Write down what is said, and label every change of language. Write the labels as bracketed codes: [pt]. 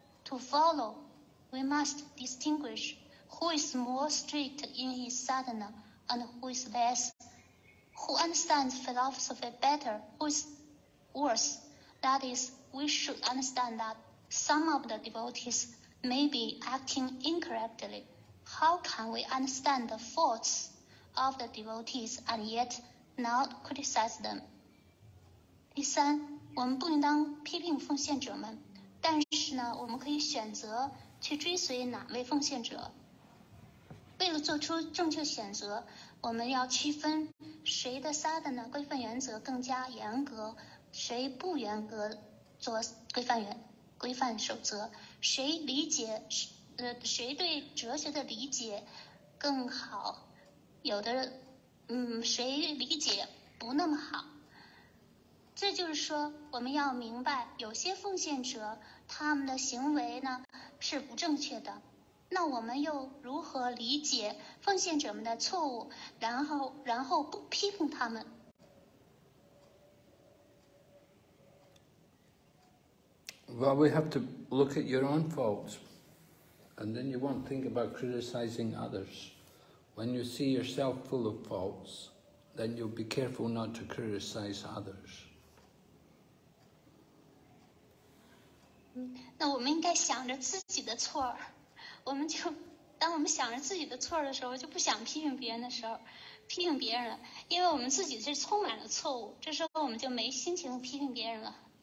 [en] To follow, we must distinguish who is more strict in his sadhana and who is less, who understands philosophy better, who is worse. That is, we should understand that some of the devotees may be acting incorrectly. How can we understand the faults of the devotees and yet not criticize them? [zh] 第三，我们不应当批评奉献者们。但是呢，我们可以选择去追随哪位奉献者。为了做出正确选择，我们要区分谁的sadhana规范原则更加严格，谁不严格做规范守则，谁理解谁对哲学的理解更好，有的谁理解不那么好。这就是说，我们要明白，有些奉献者他们的行为呢是不正确的，那我们又如何理解奉献者们的错误，然后不批评他们 [en] ？Well, we have to look at your own faults, and then you won't think about criticizing others. When you see yourself full of faults, then you'll be careful not to criticize others. [zh] 那我们应该想着自己的错儿，我们就当我们想着自己的错儿的时候，就不想批评别人的时候，批评别人了，因为我们自己是充满了错误，这时候我们就没心情批评别人了。